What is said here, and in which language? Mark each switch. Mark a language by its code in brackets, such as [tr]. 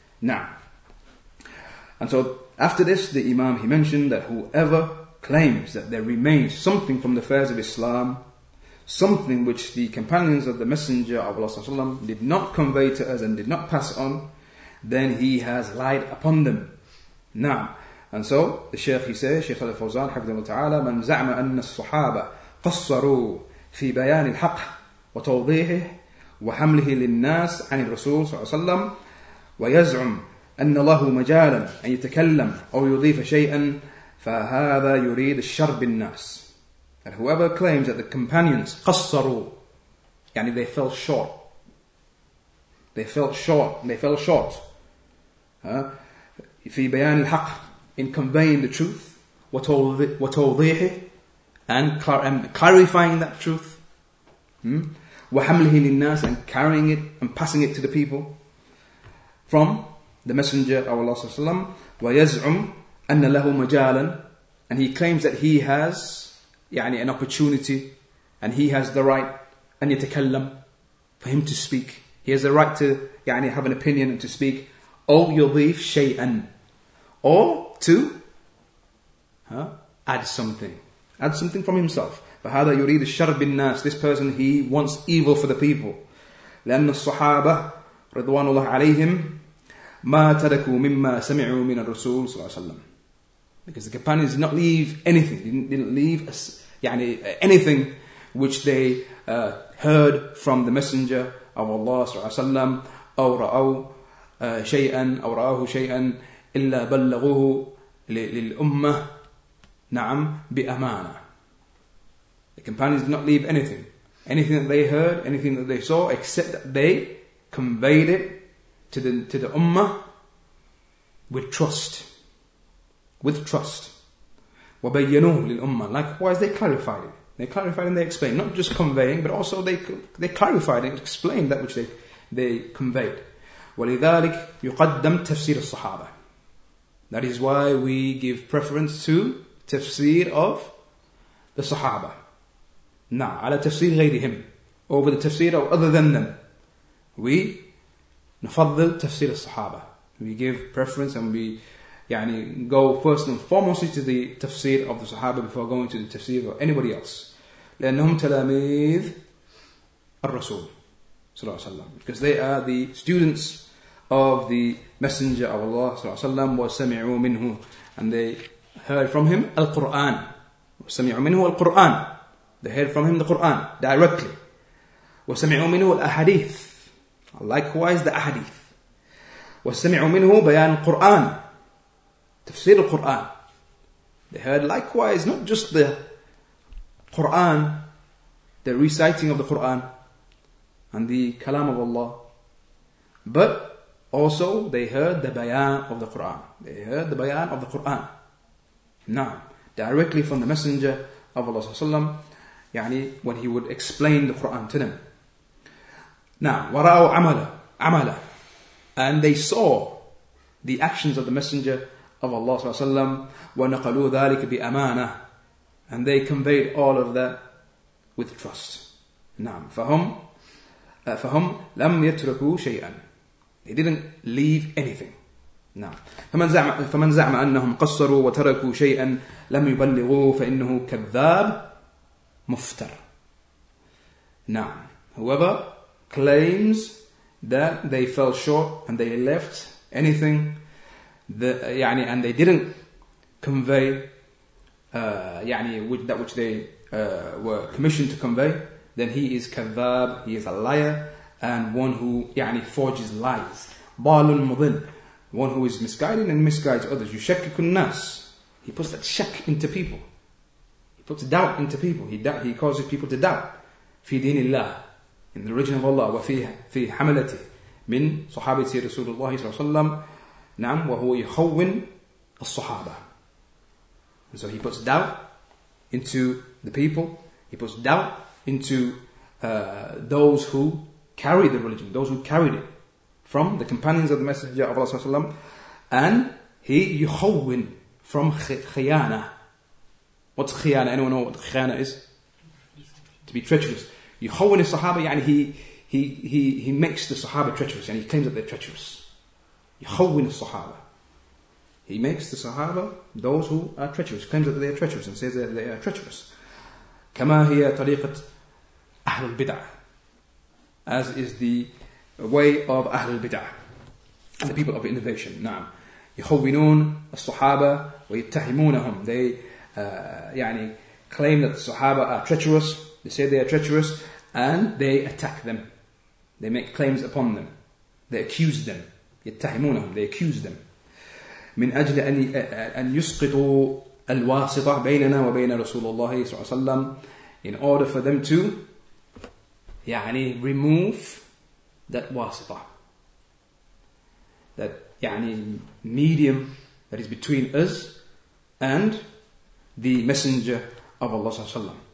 [en] Now, and so after this the Imam, he mentioned that whoever claims that there remains something from the affairs of Islam, something which the companions of the Messenger of Allah did not convey to us and did not pass on, then he has lied upon them. Now, and so the Shaykh, he says, Shaykh al-Fawzan, [ar] حفظه وتعالى, من زعم أن الصحابة قصروا في بيان الحق وتوضيحه وحمله للناس عن الرسول صلى الله عليه وسلم ويزعم أن له مجالا أن يتكلم أو يضيف شيئا فهذا يريد الشر بالناس. [en] And whoever claims that the companions [ar] قصروا, يعني [en] they fell short. They fell short. They fell short. [ar] في بيان الحق, [en] in conveying the truth, [ar] وتوضيحه, [en] and clarifying that truth. [ar] وحمله للناس, [en] and carrying it and passing it to the people. From the Messenger of Allah [ar] صلى الله عليه وسلم, ويزعم أن له مجالا, [en] and he claims that he has [ar] يعني [en] an opportunity, and he has the right [ar] أن يتكلم, [en] for him to speak. He has the right to [ar] يعني [en] have an opinion and to speak. [ar] أو يضيف شيئا, [en] or to add something from himself. [ar] فهذا يريد الشر بالناس, [en] this person he wants evil for the people. [ar] لأن الصحابة رضوان الله عليهم ما تركوا مما سمعوا من الرسول صلى الله عليه وسلم. [en] Because the companions did not leave anything. They didn't leave anything which they heard from the Messenger of Allah [ar] صلى الله عليه وسلم. أو رأوا شيئا أو رأوه شيئا إلا بلغوه للأمة نعم بأمانة. [en] The companions did not leave anything. Anything that they heard, anything that they saw, except that they conveyed it to the ummah with trust. With trust. [ar] وَبَيَّنُوا لِلْأُمَّةِ. [en] Likewise, they clarified it. They clarified and they explained. Not just conveying, but also they clarified and explained that which they conveyed. [ar] وَلِذَلِكْ يُقَدَّمْ تَفْسِيرُ الصَّحَابَةِ. [en] That is why we give preference to tafsir of the Sahaba. [ar] نعم على تفسير غيرهم. [en] Over the tafsir of other than them. We [ar] نفضل تفسير الصحابة. [en] We give preference and we [ar] يعني [en] go first and foremost to the tafsir of the Sahaba before going to the tafsir of anybody else. [ar] لأنهم تلاميذ الرسول صلى الله عليه وسلم. [en] Because they are the students of the Messenger of Allah [ar] صلى الله عليه وسلم. وسمعوا منه. [en] And they heard from him القرآن. [ar] وسمعوا منه القرآن. [en] They heard from him the Quran directly. [ar] وسمعوا منه الأحاديث. [en] Likewise the ahadith. [ar] وسمعوا منه بيان القرآن. تفسير القرآن. [en] They heard likewise not just the Quran, the reciting of the Quran and the kalam of Allah, but also they heard the bayan of the Quran. They heard the bayan of the Quran. Now, directly from the Messenger of Allah sallam, [ar] يعني [en] when he would explain the Quran to them. [ar] Now, وَرَأَوْا عَمَلَ. [en] And they saw the actions of the Messenger of Allah sallam, [ar] وَنَقَلُوا ذَلِكَ بِأَمَانَةٍ. [en] And they conveyed all of that with trust. [ar] نعم. فهم لم يتركوا شيئا. [en] They didn't leave anything. [ar] نعم. فمن زعم أنهم قصروا وتركوا شيئا لم يبلغوا فإنه كذاب مفتر. نعم. [en] Whoever claims that they fell short and they left anything, [ar] يعني [en] and they didn't convey يعني that which they were commissioned to convey, then he is [ar] كذاب, [en] he is a liar, and one who يعني forges lies. [ar] بال مضل, [en] one who is misguiding and misguides others. يشكك الناس, he puts that shak into people, he puts doubt into people, he causes people to doubt. [ar] في دين الله, [en] in the religion of Allah. [ar] وفي حملته, من صحابة رسول الله صلى الله عليه وسلم. نعم. وهو يخون الصحابة. [en] And so he puts doubt into the people. He puts doubt into those who carry the religion, those who carried it from the companions of the Messenger of Allah sallam. And he yukhawin from khiyana. What's khiyana? Anyone know what khiyana is? To be treacherous. [ar] Yukhawin al-sahaba, yani [en] he makes the sahaba treacherous, and yani he claims that they're treacherous. Yukhawin al-sahaba. He makes the sahaba, those who are treacherous, claims that they are treacherous and says that they are treacherous. [ar] Kama hiya tariqat ahl al-bid'ah. [en] As is the way of Ahl al-Bid'ah, the people of innovation. [ar] Na'am. يخوّنون الصحابة ويتهمونهم. [en] They [ar] يعني [en] claim that the Sahaba are treacherous. They say they are treacherous and they attack them. They make claims upon them. They accuse them. [ar] يتهمونهم, [en] they accuse them, [ar] من أجل أن يسقطوا الواسطة بيننا وبين رسول الله صلى الله عليه وسلم, [en] in order for them to [ar] يعني [en] remove that [ar] واسطة, [en] that يعني medium that is between us and the messenger of Allah [ar] صلى الله عليه وسلم.